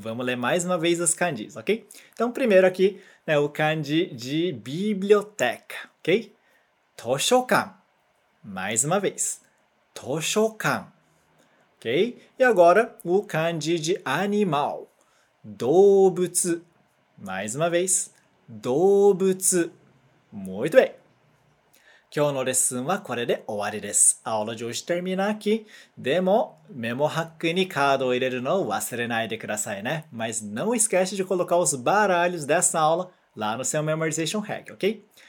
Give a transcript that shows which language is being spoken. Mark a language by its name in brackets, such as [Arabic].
[Portuguese] Vamos ler mais uma vez os kanjis, ok? Então, primeiro aqui, né, o kanji de biblioteca, ok? 図書館 Mais uma vez. 図書館 Ok? E agora, o kanji de animal. 動物 Mais uma vez. 動物 Muito bem. [Japanese] 今日のレッスンはこれで終わりです。アオラジオシテルミナーキー。でも、メモハックにカードを入れるのを忘れないでくださいね。 [Portuguese] Mas não esquece de colocar os baralhos dessa aula lá no seu memorization hack, ok?